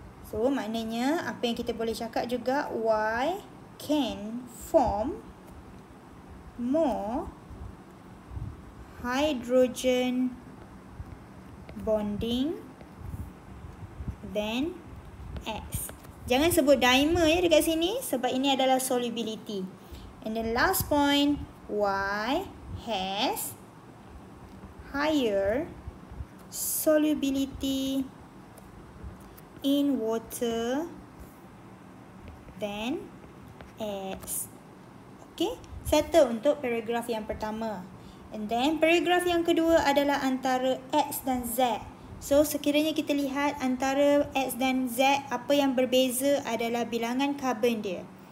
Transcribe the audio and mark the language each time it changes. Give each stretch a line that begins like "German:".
English: So,
Malay: maknanya apa yang kita boleh cakap juga,
English: Y can form more hydrogen bonding than X.
Malay: Jangan sebut dimer ya dekat sini sebab ini adalah solubility.
English: And the last point, Y has higher solubility in water than X.
Malay: Okay, settle untuk paragraph yang pertama.
English: And then
Malay: paragraph yang kedua adalah antara X dan Z. So sekiranya kita lihat antara X dan Z, apa yang berbeza adalah bilangan carbon dia.